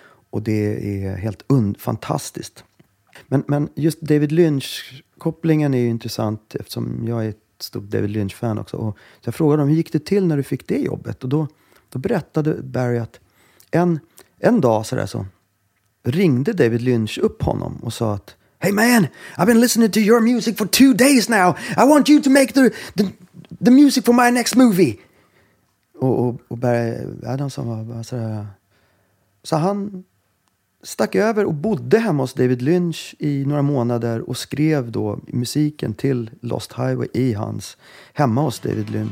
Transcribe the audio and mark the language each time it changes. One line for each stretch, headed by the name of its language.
Swedish: Och det är helt fantastiskt. Men just David Lynch-kopplingen är ju intressant, eftersom jag är ett stort David Lynch-fan också. Och jag frågade dem, hur gick det till när du fick det jobbet? Och då berättade Barry att en dag sådär så ringde David Lynch upp honom och sa att:
English: "Hey man, I've been listening to your music for 2 days now. I want you to make the music for my next movie."
Swedish: Och Barry Adamson var bara sådär. Så han stack över och bodde hemma hos David Lynch i några månader och skrev då musiken till Lost Highway i hans hemma hos David Lynch.